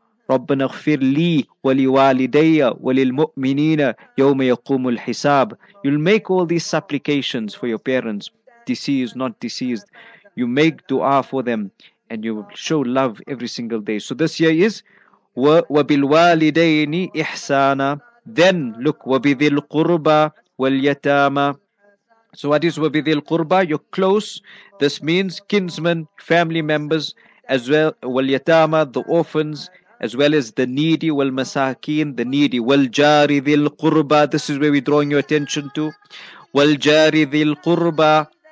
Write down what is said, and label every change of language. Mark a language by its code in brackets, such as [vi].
[ar] رَبَّنَا اغْفِرْ لِي وَلِوَالِدَيَّ وَلِلْمُؤْمِنِينَ يَوْمَ يَقُومُ الْحِسَابِ. [en] You'll make all these supplications for your parents, deceased, not deceased. You make dua for them and you show love every single day. So this year is [ar] وَبِالْوَالِدَيْنِ إِحْسَانًا. [en] Then look, [ar] وَبِذِي الْقُرْبَى وَالْيَتَامَى. [en] So what is [ar] وَبِذِي الْقُرْبَى? [en] You're close. This means kinsmen, family members, as well, [ar] وَالْيَتَامَى, [en] the orphans, as well as the needy, [ar] wal masakin, [en] the needy, [ar] wal jari dhil qurba, [en] this is where we're drawing your attention to, wal jari dhil qurba.